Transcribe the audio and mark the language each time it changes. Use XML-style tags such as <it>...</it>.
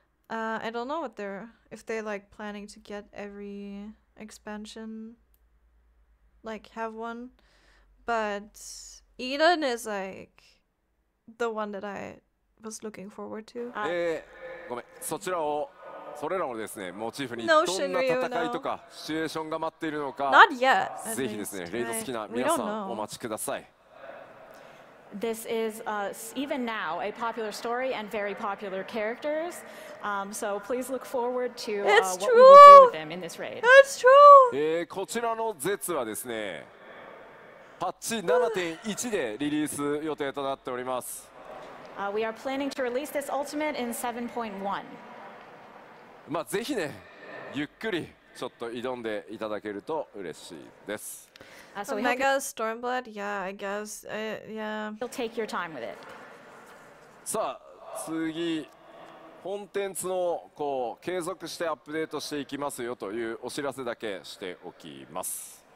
<en>I don't know what they're, if they're like planning to get every expansion, like have one, but. Eden is like the one that I was looking forward to.</en> <ja>ごめん、そちらを、それらをですね、モチーフにどんな戦いとかシチュエーションが待っているのか、</ja> <en>Not yet,</en> <ja>ぜひですね、レイド好きな皆さんお待ちください。</ja> <en>This is even now a popular story and very popular characters. So please look forward to what we will do with them in this raid. It's true.</en> <ja>こちらのゼツはですね。パッチ 7.1 でリリース予定となっております。</ja> <en>We are planning to release this ultimate in 7.1.</en> <ja>まあぜひね、ゆっくりちょっと挑んでいただけると嬉しいです。</ja> <en>So we Mega Stormblood, yeah, I guess, yeah. You'll take your time with it.</en> <ja>さあ次、コンテンツのこう継続してアップデートしていきますよというお知らせだけしておきます。</ja>